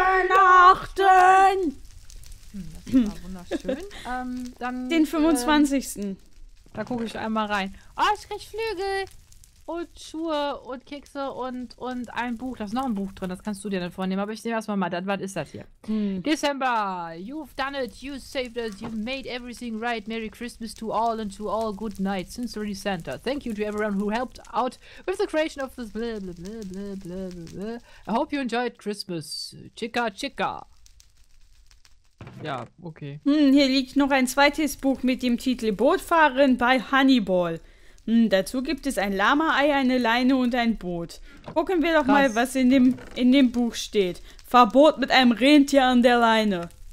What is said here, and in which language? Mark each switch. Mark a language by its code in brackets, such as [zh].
[de] Weihnachten! Das war wunderschön. Den 25. Da gucke ich einmal rein. Oh, ich krieg Flügel! Und Schuhe und Kekse und ein Buch. Da ist noch ein Buch drin, das kannst du dir dann vornehmen. Aber ich nehme erstmal mal, was ist das hier? [en] December, you've done it, you saved us, you made everything right. Merry Christmas to all and to all good night. Sincerely Santa. Thank you to everyone who helped out with the creation of this blah, blah, blah, blah, blah, blah. I hope you enjoyed Christmas. [de] Chica, chica. Ja, okay. Hier liegt noch ein zweites Buch mit dem Titel Bootfahren bei Honeyball. Dazu gibt es ein Lama-Ei, eine Leine und ein Boot. Gucken wir doch mal, was in dem Buch steht. Verbot mit einem Rentier an der Leine.